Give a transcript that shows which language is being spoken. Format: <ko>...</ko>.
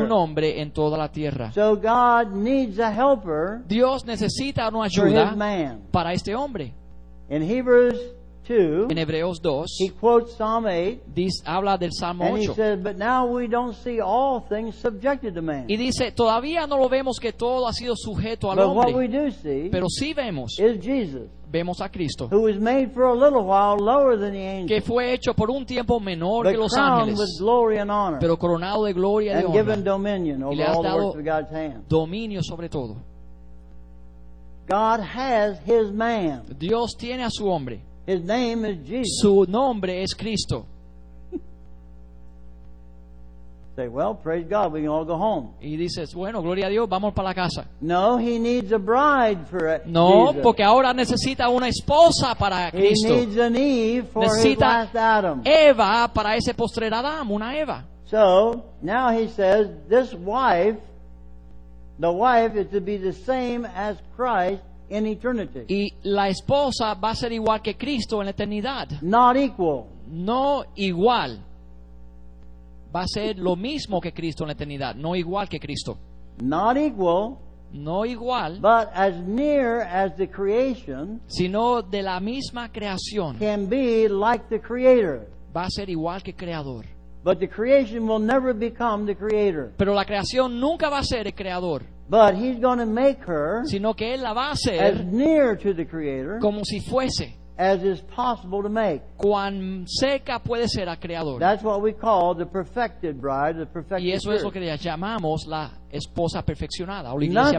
<es>Tu nombre en toda la tierra.</es> <en>So God needs a helper.</en> <es>Dios necesita una ayuda.</es> <en>For his man.</en> <es>Para este hombre.</es> <en>In Hebrews 2,</en> <es>en Hebreos 2,</es> <en>he quotes Psalm 8,</en> <es>dice, habla del Salmo 8,</es> <en>and he said, but now we don't see all things subjected to man.</en> <es>Y dice, todavía no lo vemos que todo ha sido sujeto al</es> <en>but</en> <es>hombre.</es> <en>What we do see,</en> <es>pero sí vemos,</es> <en>is Jesus.</en> <es>Vemos a Cristo,</es> <en>who was made for a little while lower than the angels,</en> <es>que fue hecho por un tiempo menor</es> <en>but</en> <es>que los ángeles,</es> <en>with glory and honor,</en> <es>pero coronado de gloria y de honra,</es> <en>given dominion over</en> <es>y le has dado</es> <en>all the works of God's hand.</en> <es>Dominio sobre todo.</es> <en>God has his man.</en> <es>Dios tiene a su hombre.</es> <en>His name is Jesus.</en> <es>Su nombre es Cristo.</es> <en>Say, well, praise God, we can all go home.</en> <es>Y dices, bueno, gloria a Dios, vamos para la casa.</es> <en>No, he needs a bride for it.</en> <es>No,</es> <en>Jesus.</en> <es>Porque ahora necesita una esposa para Cristo.</es> <en>He needs an Eve for</en> <es>necesita</es> <en>his last Adam.</en> <es>Eva para ese postrer Adam, una Eva.</es> <en>So, now he says, this wife, the wife is to be the same as Christ in eternity.</en> <es>Y la esposa va a ser igual que Cristo en la eternidad.</es> <en>Not equal.</en> <es>No igual. Va a ser lo mismo que Cristo en la eternidad. No igual que Cristo.</es> <en>Not equal.</en> <es>No igual.</es> <en>But as near as the creation.</en> <es>Sino de la misma creación.</es> <en>Can be like the Creator.</en> <es>Va a ser igual que Creador.</es> <en>But the creation will never become the creator.</en> <es>Pero la creación nunca va a ser el creador.</es> <en>But he's going to make her,</en> <es>sino que él la va a hacer,</es> <en>as near to the creator,</en> <es>como si fuese,</es> <en>as is possible to make.</en> <es>Cuán cerca puede ser al creador.</es> <en>That's what we call the perfected bride, the perfected.</en> <es>Y eso es lo que le llamamos la esposa perfeccionada o la iglesia</es>